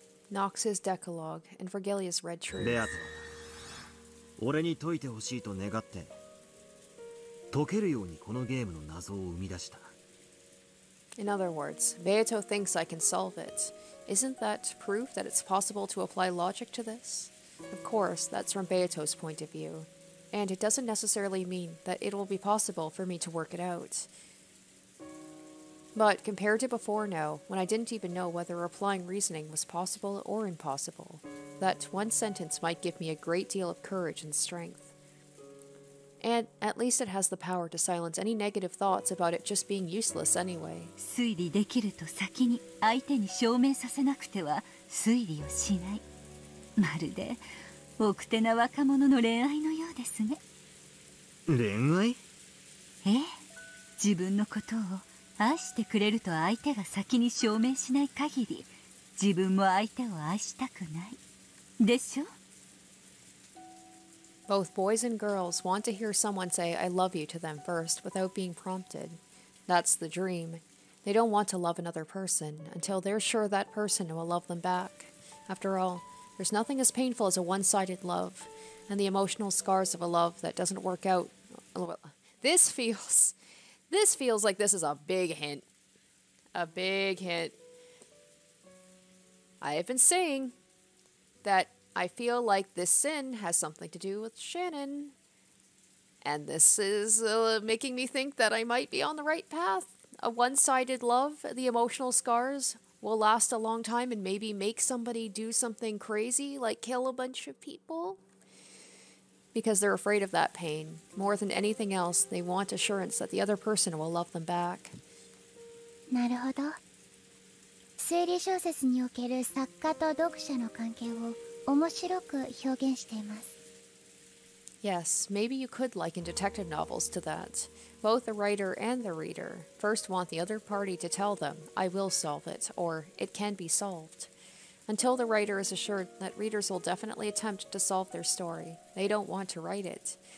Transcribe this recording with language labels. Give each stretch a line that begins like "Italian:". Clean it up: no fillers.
English: Nox's Decalogue and Vergilia's Red Truth。
Japanese: レアト、俺に解いてほしいと願って、解けるようにこのゲームの謎を生み出した。
English: In other words, Beato thinks I can solve it. Isn't that proof that it's possible to apply logic to this? Of course, that's from Beato's point of view. And it doesn't necessarily mean that it will be possible for me to work it out. But compared to before now, when I didn't even know whether applying reasoning was possible or impossible, that one sentence might give me a great deal of courage and strength. And at least it has the power to silence any negative thoughts about it just being useless anyway.
Japanese: 推理できると先に相手に証明させなくては推理をしない。まるで奥手な若者の恋愛のようですね。恋愛？ええ、自分のことを愛してくれると相手が先に証明しない限り、自分も相手を愛したくないでしょ。
English: Both boys and girls want to hear someone say I love you to them first without being prompted. That's the dream. They don't want to love another person until they're sure that person will love them back. After all, there's nothing as painful as a one-sided love, and the emotional scars of a love that doesn't work out. This feels like this is a big hint. A big hint. I have been saying that I feel like this sin has something to do with Shannon. And this is making me think that I might be on the right path. A one-sided love, the emotional scars, will last a long time and maybe make somebody do something crazy, like kill a bunch of people. Because they're afraid of that pain. More than anything else, they want assurance that the other person will love them back.
Japanese: なるほど。推理小説における作家と読者の関係を面白く表現しています。
English: Yes, maybe you could liken detective novels to that. Both the writer and the reader first want the other party to tell them I will solve it, or it can be solved. Until the writer is assured that readers will definitely attempt to solve their story, they don't want to write it.